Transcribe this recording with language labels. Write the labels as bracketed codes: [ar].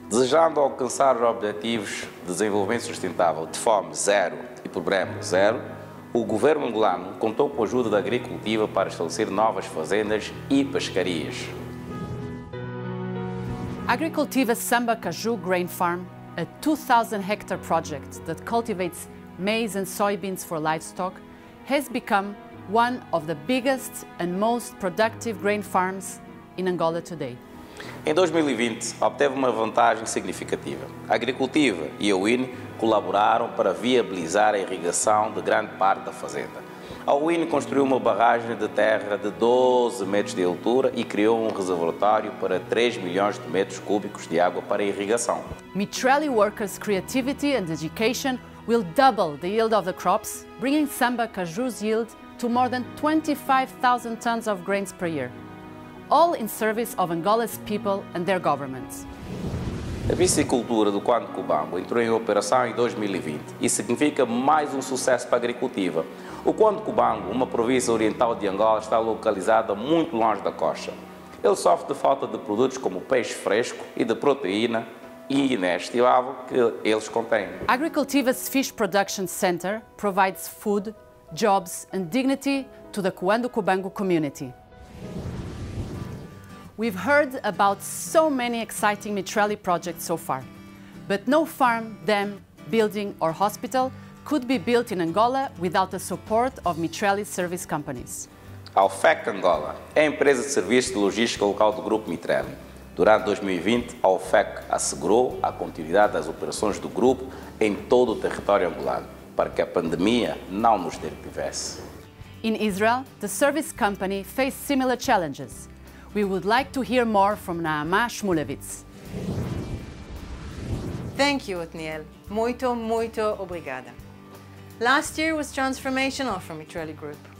[pt] Desejando alcançar os objetivos de desenvolvimento sustentável de fome zero e pobreza zero, o governo angolano contou com a ajuda da Agricultiva para estabelecer novas fazendas e pescarias. [en] Agricultiva Samba Caju Grain Farm, a 2,000 hectare project that cultivates maize and soybeans for livestock, has become one of the biggest and most productive grain farms in Angola today. [pt] Em 2020, obteve uma vantagem significativa. A Agricultiva e a UIN colaboraram para viabilizar a irrigação de grande parte da fazenda. A UIN construiu uma barragem de terra de 12 metros de altura e criou um reservatório para 3 milhões de metros cúbicos de água para irrigação. [en] Mitrelli workers' creativity and education will double the yield of the crops, bringing Samba Caju's yield to more than 25,000 tons of grains per year. all in service of Angola's people and their governments. [pt] A viticultura do Conde Cubango entrou em operação em 2020 e significa mais sucesso para a agricultura. O Conde Cubango, uma província oriental de Angola, está localizada muito longe da costa. Ele sofre de falta de produtos como peixe fresco e de proteína inestimável que eles contêm. [en] Agricultiva's Fish Production Center provides food, jobs and dignity to the Cuando Cubango community. We've heard about so many exciting Mitrelli projects so far, but no farm, dam, building or hospital could be built in Angola without the support of Mitrelli service companies. [pt] Alfec Angola é a empresa de serviço de logística local do Grupo Mitrelli. Durante 2020, a Alfec assegurou a continuidade das operações do grupo em todo o território angolano, para que a pandemia não nos detivesse. [en] In Israel, the service company faced similar challenges. We would like to hear more from Naama Shmulevitz. Thank you, Otniel. [pt] Muito, muito obrigada. [en] Last year was transformational for Mitrelli Group.